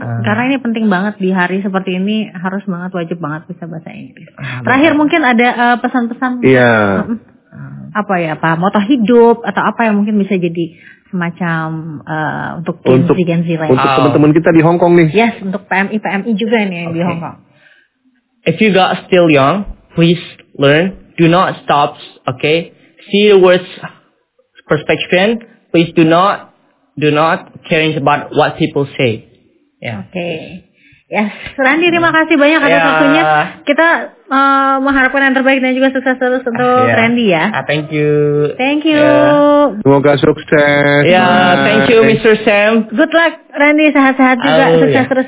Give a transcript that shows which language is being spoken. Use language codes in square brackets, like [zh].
[id] Karena ini penting banget di hari seperti ini, harus banget, wajib banget bisa bahasa Inggris. Terakhir mungkin ada pesan-pesan. Iya. Yeah. Apa ya, apa moto hidup atau apa yang mungkin bisa jadi semacam untuk Gen Z lain. Untuk teman-teman kita di Hong Kong nih. Yes, untuk PMI juga nih yang di Hong Kong. [en] If you got still young, please learn, do not stop, okay? See the world's perspective, please do not care about what people say. Yeah. Okay. [id] Yes, Randy, terima kasih banyak atas waktunya. Kita mengharapkan yang terbaik dan juga sukses terus untuk Randy ya. [en] Thank you. [id] Semoga sukses. [en] Thank you, Mr. Sam. Good luck, [id] Randy. Sehat-sehat juga. Sukses terus.